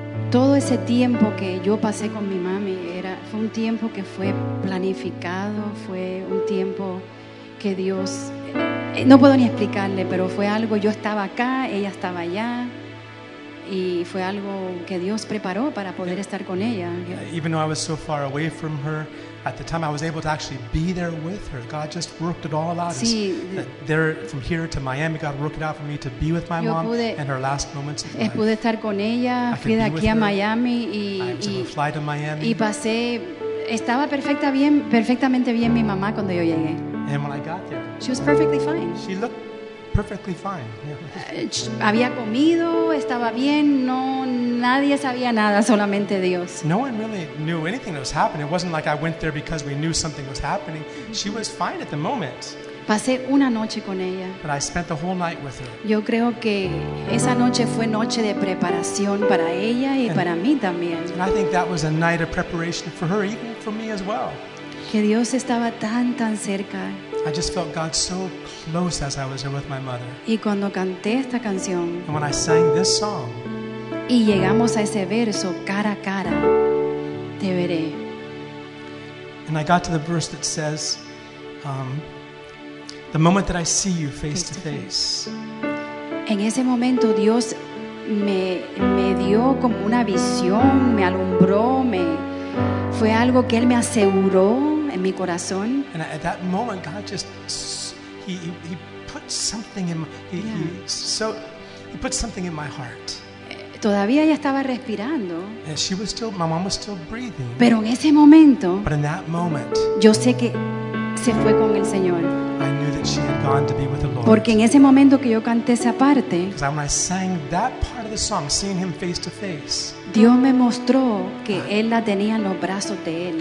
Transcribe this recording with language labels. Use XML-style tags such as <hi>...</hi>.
<es>Todo ese tiempo que yo pasé con mi mami fue un tiempo que fue planificado, fue un tiempo que Dios, no puedo ni explicarle, pero fue algo, yo estaba acá, ella estaba allá, y fue algo que Dios preparó para poder estar con ella.</es> <en>Even though I was so far away from her, at the time I was able to actually be there with her. God just worked it all out.</en> <es>Sí,</es> <en>there, from here to Miami, God worked it out for me to be with my mom in her last moments of life.</en> <es>Pude estar con ella, fui de aquí a Miami y pasé, estaba perfecta bien, perfectamente bien mi mamá cuando yo llegué.</es> <en>And when I got there, she was perfectly fine. She looked perfectly fine. Yeah.</en> <es>Había comido, estaba bien, no, nadie sabía nada, solamente Dios.</es> <en>No one really knew anything that was happening. It wasn't like I went there because we knew something was happening. She was fine at the moment.</en> <es>Pasé una noche con ella.</es> <en>But I spent the whole night with her.</en> <es>Yo creo que esa noche fue noche de preparación para ella y para mí también.</es> <en>And I think that was a night of preparation for her, even for me as well.</en> <es>Que Dios estaba tan, tan cerca.</es> <en>I just felt God so close as I was there with my mother.</en> <es>Y cuando canté esta canción,</es> <en>and when I sang this song,</en> <es>y llegamos a ese verso, cara a cara, te veré.</es> <en>And I got to the verse that says, the moment that I see you face to face.</en> <es>En ese momento Dios me dio como una visión, me alumbró, fue algo que Él me aseguró. En mi corazón.</es> <en>And at that moment, God just—he put something in he put something in my heart.</en> <es>Todavía ella estaba respirando.</es> <en>And she was still, my mom was still breathing.</en> <es>Pero en ese momento.</es> <en>But in that moment,</en> <es>yo sé que se fue con el Señor.</es> <en>I knew that she had gone to be with the Lord.</en> <es>Porque en ese momento que yo canté esa parte.</es> <en>Because when I sang that part of the song, seeing Him face to face.</en> <es>Dios me mostró que Él la tenía en los brazos de Él.</es>